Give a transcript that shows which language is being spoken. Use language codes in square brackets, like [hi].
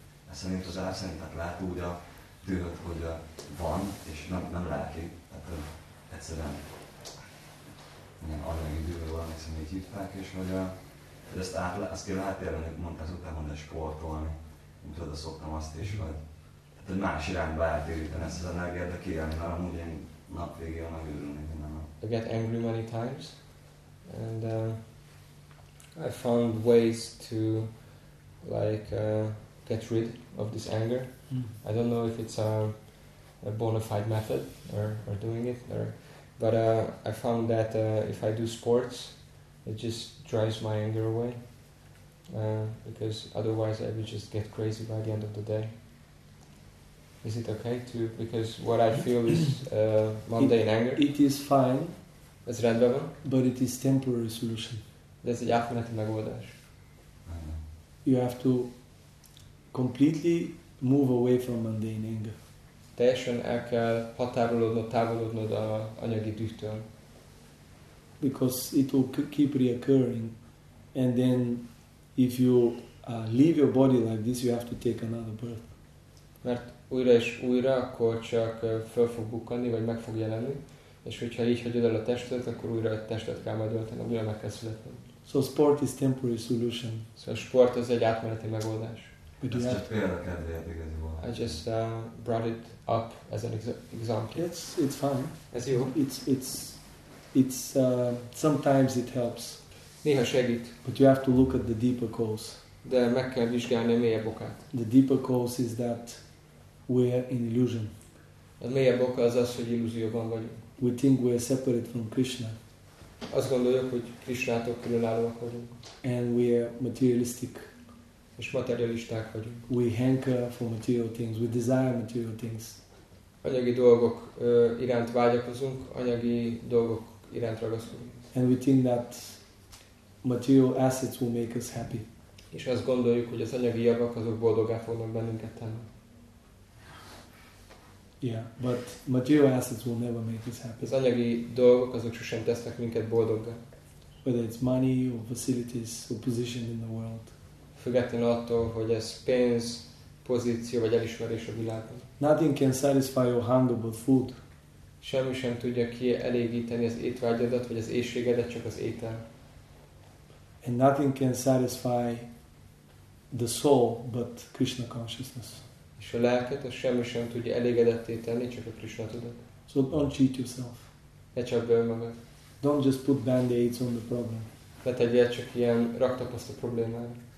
[hu] Ezt szerint az elszerint, tehát lehet úgy a dühöt, hogy van, és nem lelki, tehát hogy egyszerűen ilyen anyagi dühöt valamit személyt hívták, és hogy de ezt azt ki lehet érteni, hogy mondtál, szoktál mondani sportolni, úgy oda szoktam azt is, vagy tehát, hogy más irányba eltéríteni ezt az energiát, de kijelni, mert amúgy én nap végén a megőrülni minden nap. [en] I get angry many times, and I found ways to like get rid of this anger. Mm. I don't know if it's a bona fide method or doing it, or, but I found that if I do sports, it just drives my anger away, because otherwise I would just get crazy by the end of the day. Is it okay to? Because what I feel is mundane anger. It is fine. [hu] Ez rendben van. [en] But it is temporary solution. [hu] De ez egy átmeneti megoldás. [en] You have to completely move away from mundane anger. [hu] Teljesen el kell határolódnod, távolodnod a anyagi dühtől. [en] Because it will keep reoccurring, and then if you leave your body like this, you have to take another birth. [hu] Mert újra és újra, akkor csak föl fog bukkanni, vagy meg fog jelenni, és hogyha így hagyod el a testet, akkor újra a testet kell majd ölteni, újra meg kell születni. [en] So sport is temporary solution. [hu] Szóval sport az egy átmeneti megoldás. Ez csak példakedvéért igazából. [en] I just brought it up as an example. It's fun. [hu] Ez jó. [en] It's sometimes it helps. [hu] Néha segít. [en] But you have to look at the deeper cause. [hu] De meg kell vizsgálni a mélyebb okát. [en] The deeper cause is that we're in illusion. [hu] A mélyebb oka az az, hogy illúzióban vagyunk. [en] We think we're separate from Krishna. [hu] Azt gondoljuk, hogy Krishnától különállóak vagyunk. [en] And we're materialistic. [hu] És materialisták vagyunk. [en] We hanker for material things. We desire material things. [hu] anyagi dolgok iránt vágyakozunk, anyagi dolgok iránt ragaszkodunk. [en] And we think that material assets will make us happy. [hu] És azt gondoljuk, hogy az anyagi javak azok boldoggá fognak bennünket tenni. [en] Yeah, but material assets will never make us happy. [hu] Az anyagi dolgok azok sosem tesznek minket boldoggá. [en] Whether it's money or facilities or position in the world. [hu] Függetlenül attól, hogy ez pénz, pozíció vagy elismerés a világban. [en] Nothing can satisfy your hunger but food. [hu] Semmi sem tudja kielégíteni az étvágyadat vagy az éhségedet, csak az étel. [en] And nothing can satisfy the soul but Krishna consciousness. [hu] És a lelket, az semmi sem tudja elégedetté tenni, csak a Krishna tudat. [en] So don't cheat yourself. [hu] Ne csapdolj magad. [en] Don't just put band-aids on the problem. [hu] Ne tegyél csak ilyen raktapaszt a problémára.